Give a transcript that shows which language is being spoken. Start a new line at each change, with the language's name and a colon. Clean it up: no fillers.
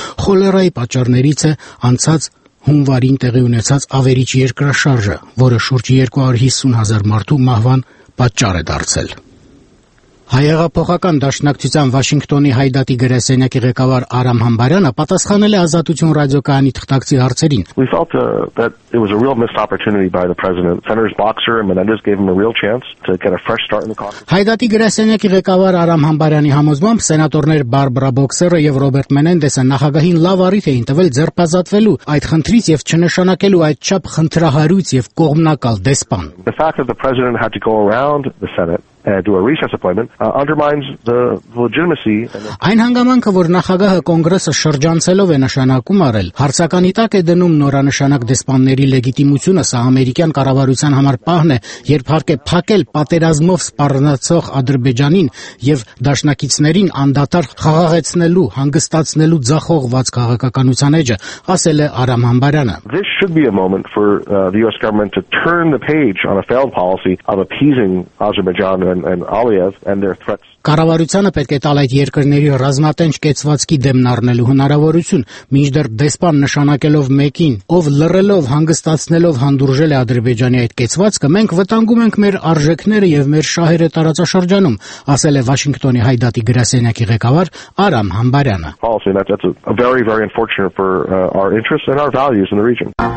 Armenian: Խոլերայի պատճառներից է անցած հունվարին տեղի ունեցած ավերիչ երկրաշարժը, որը շուրջ 250,000 մարդու մահվան պատճառ է դարձել։ Հայեղափոխական դաշնակցության Վաշինգտոնի հայդատի գրասենյակի ղեկավար Արամ Համբարյանը պատասխանել է Ազատություն ռադիոկայանի թղթակցի հարցերին։
English: It was a real missed opportunity by the president. Senators Boxer and Menendez gave him a real chance to get a fresh start in the caucus.
Armenian: Հայդատի գրասենյակի ղեկավար Արամ Համբարյանի համոզմամբ սենատորներ Բարբրա Բոքսերը և Ռոբերտ Մենենդեսը նախագահին լավ առիթ էին տվել ձերբազատվելու այդ խնդրից և չնշանակելու այդչափ խնդրահարույց և կողմնակալ դեսպան։
English: The fact that the president had to go around the Senate and do a recess appointment undermines the legitimacy.
Armenian: Այն հանգամանքը, որ նախագահը կոնգրեսը շրջանցելով է նշանակում արել, հարցականի տակ է դնում նորանշանակ դեսպանների լեգիտիմությունը, սա ամերիկյան կառավարության համար պահն է, երբ հարկ է փակել պատերազմով սպառնացող Ադրբեջանին և դաշնակիցներին անդադար խաղաղեցնելու, հանգստացնելու ձախողված քաղաքականության էջը, ասել է Արամ Համբարյանը։
English: This should be a moment for the US government to turn the page on a failed policy of appeasing Azerbaijan and Aliyev and their threats.
Armenian: Կառավարությունը պետք է տալ այդ երկրների ռազմատենչ կեցվածքի դեմ նառնելու հնարավորություն, մինչդեռ դեսպան նշանակելով մեկին, ով լռելով, հանգստացնելով հանդուրժել է Ադրբեջանի այդ կեցվածքը, մենք վտանգում ենք մեր արժեքները եւ մեր շահերը տարածաշրջանում, ասել է Վաշինգտոնի հայդատի գրասենյակի ղեկավար Արամ Համբարյանը։